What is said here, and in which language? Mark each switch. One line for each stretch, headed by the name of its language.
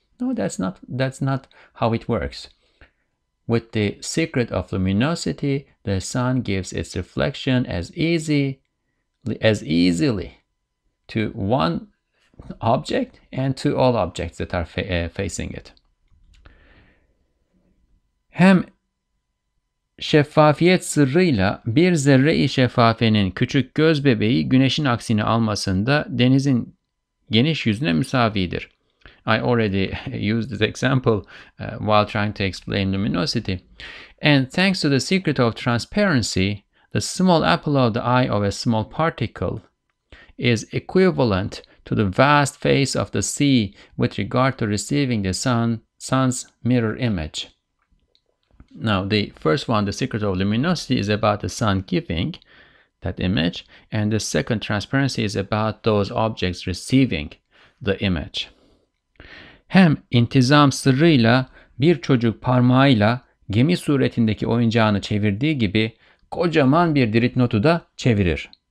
English: No, that's not how it works. With the secret of luminosity, the sun gives its reflection as easily to one object and to all objects that are facing it.
Turkish: Hem şeffafiyet sırrıyla bir zerre-i şeffafenin küçük göz bebeği güneşin aksini almasında denizin geniş yüzüne müsavidir.
English: I already used this example while trying to explain luminosity. And thanks to the secret of transparency, the small apple of the eye of a small particle is equivalent to the vast face of the sea with regard to receiving the sun's mirror image. Now, the first one, the secret of luminosity, is about the sun giving that image, and the second, transparency, is about those objects receiving the image.
Turkish: Hem intizam sırrıyla bir çocuk parmağıyla gemi suretindeki oyuncağını çevirdiği gibi kocaman bir dipnotu da çevirir.